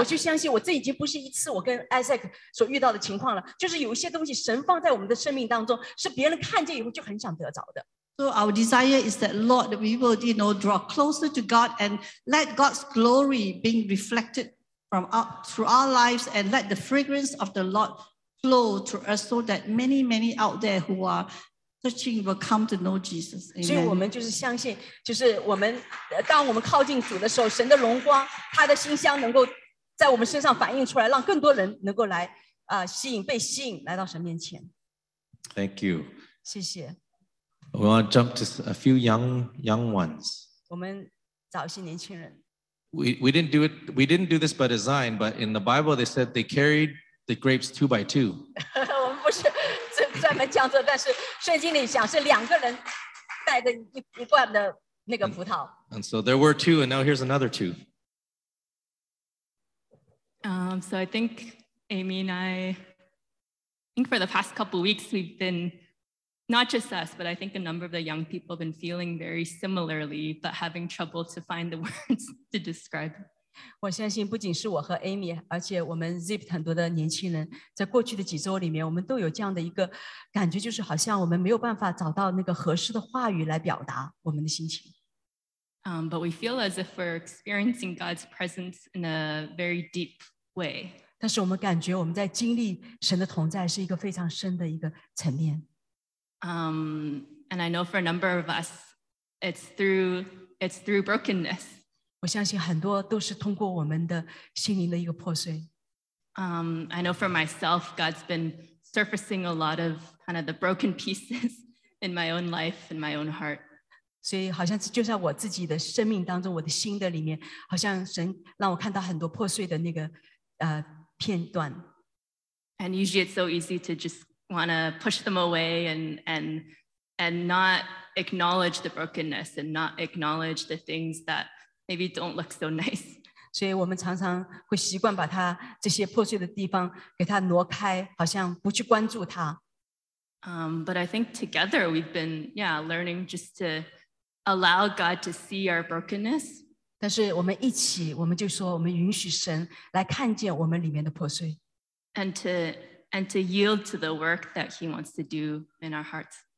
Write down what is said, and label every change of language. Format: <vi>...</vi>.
<zh>我就相信我这已经不是一次我跟 Isaac 所遇到的情况了就是有一些东西神放在我们的生命当中是别人看见以后就很想得着的。</zh> <en>So our desire is that Lord, that we will, you know, draw closer to God and let God's glory being reflected. From our, through our lives and let the fragrance of the Lord flow through us so that many, many out there who are searching will come to know Jesus. Amen.</en> <zh>所以我们就是相信就是我们当我们靠近主的时候神的荣光他的馨香能够在我们身上反映出来让更多人能够来吸引被吸引来到神面前。</zh> <en>Thank you.</en> <zh>谢谢。</zh> <en>We want to jump to a few young ones.</en> <zh>我们找一些年轻人。</zh> <en>We didn't do this by design, but in the Bible they said they carried the grapes two by two.</en> <zh>我们不是专门讲这，但是圣经里讲是两个人带着一罐的那个葡萄。</zh> <en>And so there were two, and now here's another two. So I think Amy and I think for the past couple of weeks we've been not just us, but I think a number of the young people have been feeling very similarly, but having trouble to find the words to describe.</en> <zh>我相信不仅是我和 Amy, 而且我们 Zipped 很多的年轻人在过去的几周里面我们都有这样的一个感觉就是好像我们没有办法找到那个合适的话语来表达我们的心情。</zh> <en>But we feel as if we're experiencing God's presence in a very deep way.</en> <zh>但是我们感觉我们在经历神的同在是一个非常深的一个层面。</zh> <en>And I know for a number of us, it's through brokenness.</en> <zh>我相信很多都是通过我们的心灵的一个破碎。</zh> <en>I know for myself, God's been surfacing a lot of kind of the broken pieces in my own life, in my own heart.</en> <zh>所以好像就在我自己的生命当中，我的心的里面，好像神让我看到很多破碎的那个片段。</zh> <en>And usually it's so easy to just. Want to push them away and not acknowledge the brokenness and not acknowledge the things that maybe don't look so nice.</en> <zh>所以我们常常会习惯把它这些破碎的地方给它挪开，好像不去关注它。</zh> <en>But I think together we've been, yeah, learning just to allow God to see our brokenness.</en> <zh>但是我们一起，我们就说我们允许神来看见我们里面的破碎。</zh> <en>And to yield to the work that he wants to do in our hearts.</en>